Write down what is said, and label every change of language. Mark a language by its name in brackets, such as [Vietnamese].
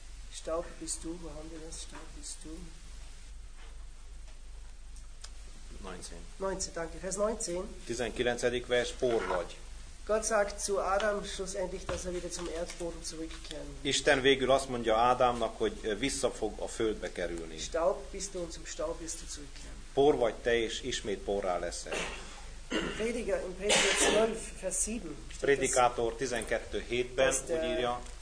[German] Staub bist du, wo haben wir das? Staub bist du? 19, danke. Vers 19. [Hungarian] 19. Vers, por vagy. [German] Gott sagt zu Adam schlussendlich, dass er wieder zum Erdboden zurückkehren. [Hungarian] Isten végül azt mondja Ádámnak, hogy vissza fog a földbe kerülni. [German] Staub bist du und zum Staub wirst du zurückkehren. [Hungarian] Por vagy te, és ismét porrá leszel. [German] Prediger in Prediger 12, Vers 7. [Hungarian] Predikátor 12:7-ben úgy írja.